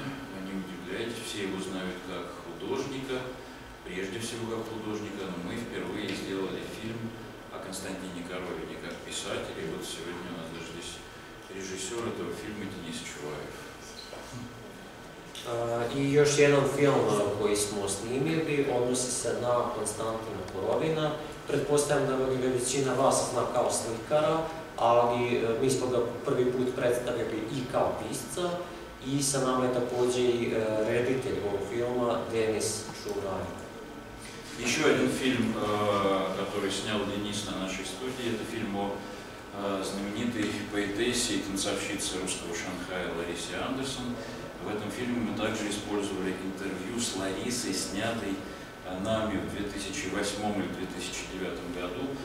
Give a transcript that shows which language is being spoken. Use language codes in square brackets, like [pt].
[ru] Не удивляйтесь, все его знают как художника, прежде всего как художника, но мы впервые сделали фильм о Константине Коровине как писателе. Вот сегодня у нас даже здесь режиссер этого фильма Денис Чуваев. И еще один фильм, который мы снимали, он относится на Константина Коровина. [sr] Предпоставим, да ви većina вас зна као сликара, али ми смо га први пут представили и као писца, и са нам је такође и редитељ овог филма Денис Шурај. [ru] Еще один фильм, который снял Денис на нашей студии, это фильм о знаменитой поэтессе и танцовщице русского Шанхая Ларисе Андерсон. В этом фильме мы также использовали интервью с Ларисой, снятой нами в 2008 или 2009 году.